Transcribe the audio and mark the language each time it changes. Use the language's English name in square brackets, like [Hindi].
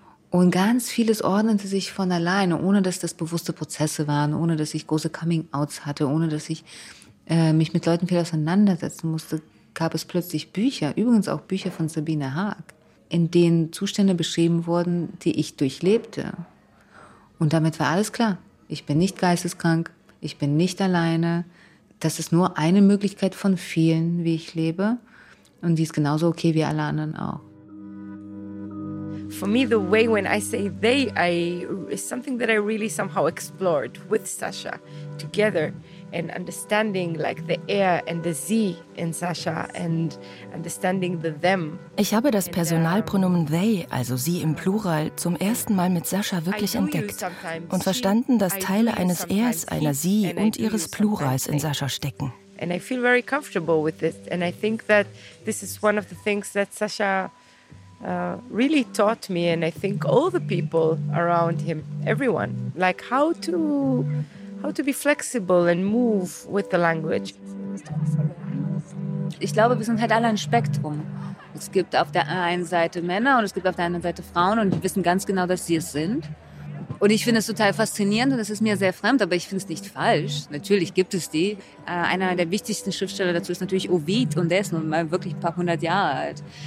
[German] Und ganz vieles ordnete sich von alleine, ohne dass das bewusste Prozesse waren, ohne dass ich große Coming-outs hatte, ohne dass ich mich mit Leuten viel auseinandersetzen musste, gab es plötzlich Bücher, übrigens auch Bücher von Sabine Haag, in denen Zustände beschrieben wurden, die ich durchlebte. Und damit war alles klar. Ich bin nicht geisteskrank, ich bin nicht alleine. Das ist nur eine Möglichkeit von vielen, wie ich lebe. Und die ist genauso okay wie alle anderen auch. [English] For me, the way when I say they, I is something that I really somehow explored with Sascha together, and understanding like the er and the sie in Sascha and understanding the them. [German] Ich habe das Personalpronomen they, also sie im Plural, zum ersten Mal mit Sascha wirklich entdeckt und verstanden, dass Teile eines ers, einer sie und ihres Plurals in Sascha stecken. [English] And I feel very comfortable with this, and I think that this is one of the things that Sascha really taught me, and I think all the people around him, everyone, like how to be flexible and move with the language. [German] Ich glaube, wir sind halt alle ein Spektrum. Es gibt auf der einen Seite Männer und es gibt auf der anderen Seite Frauen, und die wissen ganz genau, dass sie es sind. Und ich finde es total faszinierend, und es ist mir sehr fremd, aber ich finde es nicht falsch. Natürlich gibt es die. Einer der wichtigsten Schriftsteller dazu ist natürlich Ovid, und der ist nun mal wirklich ein paar hundert Jahre alt.